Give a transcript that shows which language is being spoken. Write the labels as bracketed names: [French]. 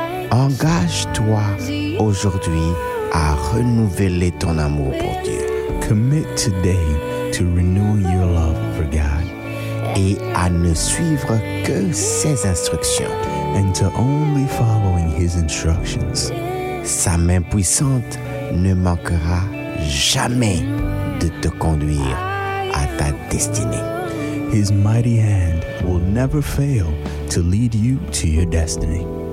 [French] engage-toi aujourd'hui à renouveler ton amour pour Dieu. [English] Commit today to renew your love for God. [French] Et à ne suivre que ses instructions. [English] And to only following his instructions. [French] Sa main puissante ne manquera jamais de te conduire à ta destinée. [English] His mighty hand will never fail to lead you to your destiny.